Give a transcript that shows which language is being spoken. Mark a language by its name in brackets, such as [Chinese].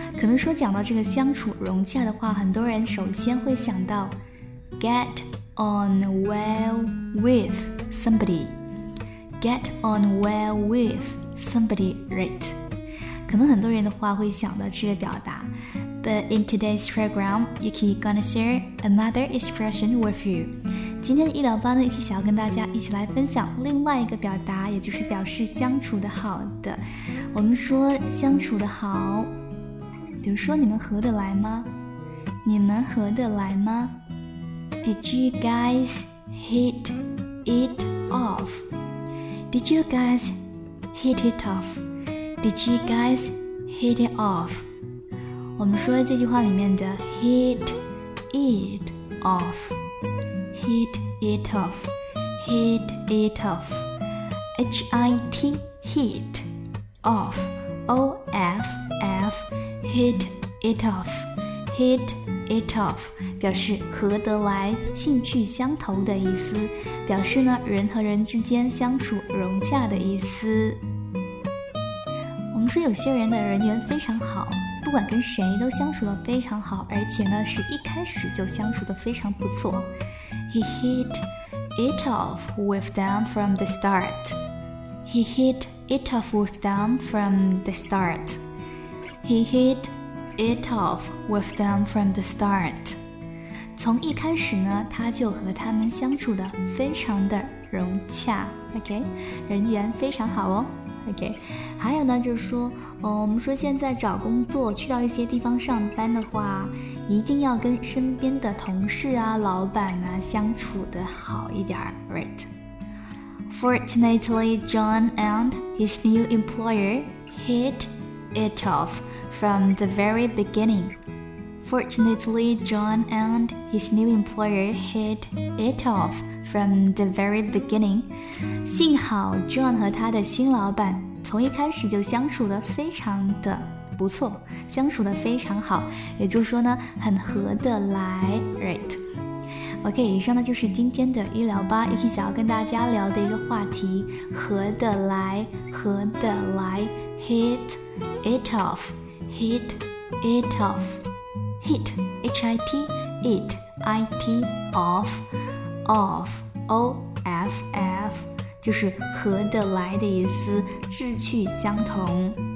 [Chinese] 可能说讲到这个相处融洽的话，很多人首先会想到 [English] get on well with somebody, get on well with somebody, right? [Chinese] 可能很多人的话会想到这个表达。 [English] But in today's program, Yuki gonna share another expression with you. [Chinese] 今天的医疗班呢，Yuki想要跟大家一起来分享另外一个表达，也就是表示相处的好的。我们说相处的好，比如说你们合得来吗？你们合得来吗？ [English] Did you guys hit it off? Did you guys hit it off? Did you guys hit it off? [Chinese] 我们说这句话里面的 [English] hit it off, hit it off, [Chinese] hit it off, H-I-T, hitOff, O-F-F, hit it off, hit it off, 表示合得来，兴趣相投的意思，表示呢人和人之间相处融洽的意思。我们说有些人的人缘非常好，不管跟谁都相处得非常好，而且呢是一开始就相处得非常不错。 [English] He hit it off with them from the start. He hit it off with them from the start. He hit it off with them from the start. [Chinese] 从一开始呢，他就和他们相处的非常的融洽。 [English] OK, [Chinese] 人缘非常好哦。 [English] OK, [Chinese] 还有呢，就是说，我们说现在找工作，去到一些地方上班的话，一定要跟身边的同事啊、老板啊相处的好一点 ， [English] right? Fortunately, John and his new employer hit it off from the very beginning. Fortunately, John and his new employer hit it off from the very beginning. [Chinese] 幸好 John 和他的新老板从一开始就相处得非常的不错，相处得非常好，也就是说呢，很合得来 ， [English] right? OK, [Chinese] 以上呢就是今天的医疗吧，一起想要跟大家聊的一个话题，合得来，合得来 ， [English] hit it off, hit it off, hit, H-I-T, it, I-T, off, off, O-F-F, [Chinese] 就是合得来的意思，志趣相同。